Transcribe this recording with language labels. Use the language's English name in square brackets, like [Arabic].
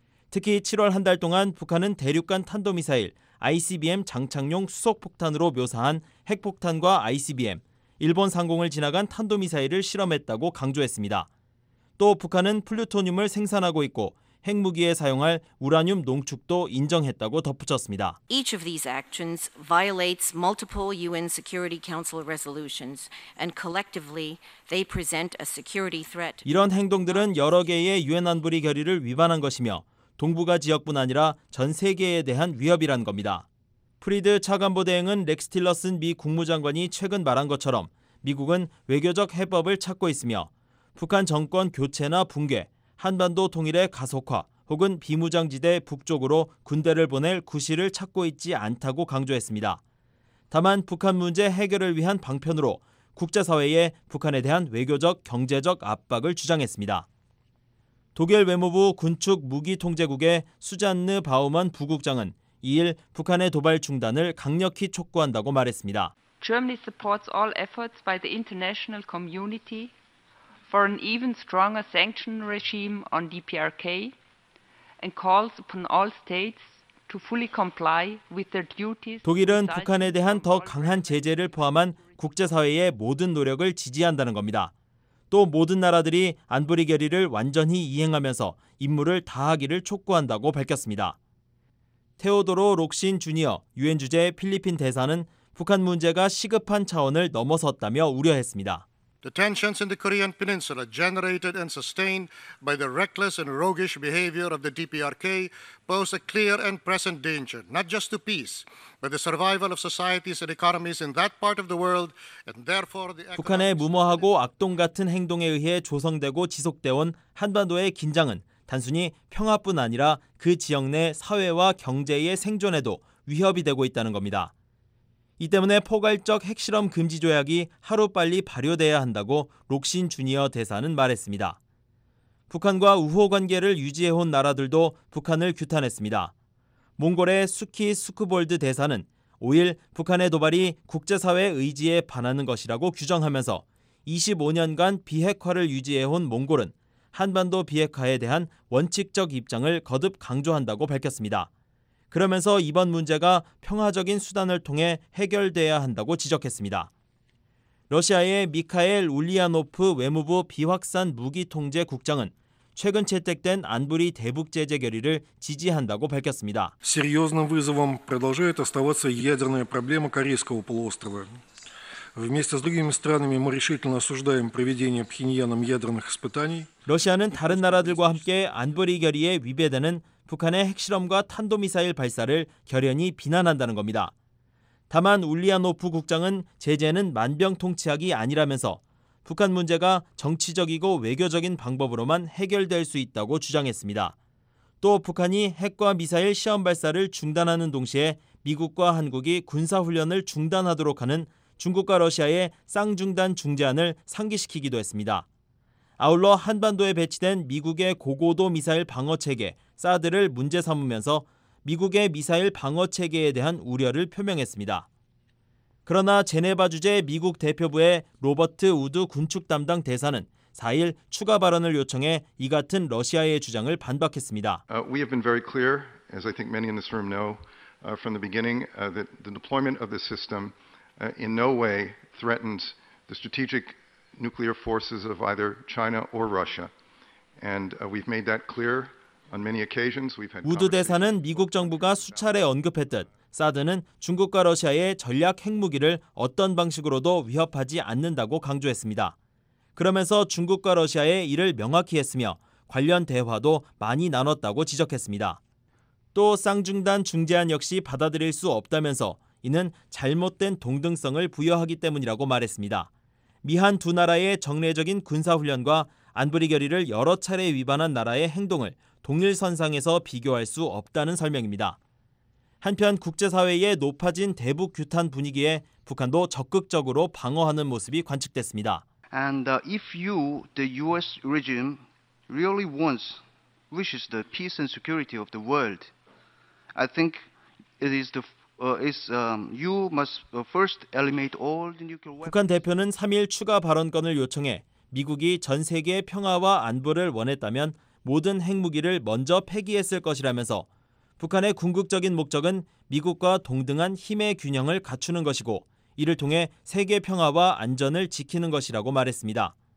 [Korean] 특히 7월 한 달 동안 북한은 대륙간 탄도미사일, ICBM 장착용 수소폭탄으로 묘사한 핵폭탄과 ICBM, 일본 상공을 지나간 탄도미사일을 실험했다고 강조했습니다. 또 북한은 플루토늄을 생산하고 있고 핵무기에 사용할 우라늄 농축도 인정했다고 덧붙였습니다. [English] Each of these actions violates multiple UN Security Council resolutions and collectively they present a security threat. [Korean] 이런 행동들은 여러 개의 유엔 안보리 결의를 위반한 것이며 동북아 지역뿐 아니라 전 세계에 대한 위협이란 겁니다. 프리드 차관보 대행은 렉스 틸러슨 미 국무장관이 최근 말한 것처럼 미국은 외교적 해법을 찾고 있으며 북한 정권 교체나 붕괴 한반도 통일의 가속화 혹은 비무장지대 북쪽으로 군대를 보낼 구실을 찾고 있지 않다고 강조했습니다. 다만 북한 문제 해결을 위한 방편으로 국제사회에 북한에 대한 외교적, 경제적 압박을 주장했습니다. 독일 외무부 군축 무기통제국의 수잔느 바우먼 부국장은 2일 북한의 도발 중단을 강력히 촉구한다고 말했습니다. [English] Germany supports all efforts by the international community for an even stronger sanction regime on DPRK and calls upon all states to fully comply with their duties. [Korean] 독일은 북한에 대한 더 강한 제재를 포함한 국제사회의 모든 노력을 지지한다는 겁니다. 또 모든 나라들이 안보리 결의를 완전히 이행하면서 임무를 다하기를 촉구한다고 밝혔습니다. 테오도로 록신 주니어 유엔 주재 필리핀 대사는 북한 문제가 시급한 차원을 넘어섰다며 우려했습니다. [English] The tensions in the Korean Peninsula generated and sustained by the reckless and roguish behavior of the DPRK pose a clear and present danger, not just to peace, but the survival of societies and economies in that part of the world, and therefore the [Korean] 북한의 무모하고 악동 같은 행동에 의해 조성되고 지속되어 온 한반도의 긴장은 단순히 평화뿐 아니라 그 지역 내 사회와 경제의 생존에도 위협이 되고 있다는 겁니다. 이 때문에 포괄적 핵실험 금지 조약이 하루빨리 발효돼야 한다고 록신 주니어 대사는 말했습니다. 북한과 우호 관계를 유지해온 나라들도 북한을 규탄했습니다. 몽골의 수키 수크볼드 대사는 5일 북한의 도발이 국제사회 의지에 반하는 것이라고 규정하면서 25년간 비핵화를 유지해온 몽골은 한반도 비핵화에 대한 원칙적 입장을 거듭 강조한다고 밝혔습니다. 그러면서 이번 문제가 평화적인 수단을 통해 해결돼야 한다고 지적했습니다. 러시아의 미카엘 울리아노프 외무부 비확산 무기 통제 국장은 최근 채택된 안보리 대북 제재 결의를 지지한다고 밝혔습니다. [Russian] Серьёзным вызовом продолжает оставаться ядерная проблема Корейского полуострова. Вместе с другими странами мы решительно осуждаем проведение Пхеньяном ядерных испытаний. [Korean] 러시아는 다른 나라들과 함께 안보리 결의에 위배되는 북한의 핵실험과 탄도미사일 발사를 결연히 비난한다는 겁니다. 다만 울리아노프 국장은 제재는 만병통치약이 아니라면서 북한 문제가 정치적이고 외교적인 방법으로만 해결될 수 있다고 주장했습니다. 또 북한이 핵과 미사일 시험 발사를 중단하는 동시에 미국과 한국이 군사훈련을 중단하도록 하는 중국과 러시아의 쌍중단 중재안을 상기시키기도 했습니다. 아울러 한반도에 배치된 미국의 고고도 미사일 방어체계 사드를 문제 삼으면서 미국의 미사일 방어 체계에 대한 우려를 표명했습니다. 그러나 제네바 주재 미국 대표부의 로버트 우드 군축 담당 대사는 4일 추가 발언을 요청해 이 같은 러시아의 주장을 반박했습니다. [English] We have been very clear, as I think many in this room know, from the beginning that the deployment of this system in no way threatens the strategic nuclear forces of either China or Russia. And we've made that clear. [Korean] 우드 대사는 미국 정부가 수차례 언급했듯 사드는 중국과 러시아의 전략 핵무기를 어떤 방식으로도 위협하지 않는다고 강조했습니다. 그러면서 중국과 러시아의 이를 명확히 했으며 관련 대화도 많이 나눴다고 지적했습니다. 또 쌍중단 중재안 역시 받아들일 수 없다면서 이는 잘못된 동등성을 부여하기 때문이라고 말했습니다. 미한 두 나라의 정례적인 군사훈련과 안보리 결의를 여러 차례 위반한 나라의 행동을 동일선상에서 비교할 수 없다는 설명입니다. 한편 국제사회의 높아진 대북 규탄 분위기에 북한도 적극적으로 방어하는 모습이 관측됐습니다. [English] And if you, the US regime, really wants, wishes the peace and security of the world, I think it is the you must first eliminate all the nuclear weapons. [Korean] 북한 대표는 3일 추가 발언권을 요청해 미국이 전 세계의 평화와 안보를 원했다면 모든 핵무기를 먼저 폐기했을 것이라면서 북한의 궁극적인 목적은 미국과 동등한 힘의 균형을 갖추는 것이고 이를 통해 세계 평화와 안전을 지키는 것이라고 말했습니다.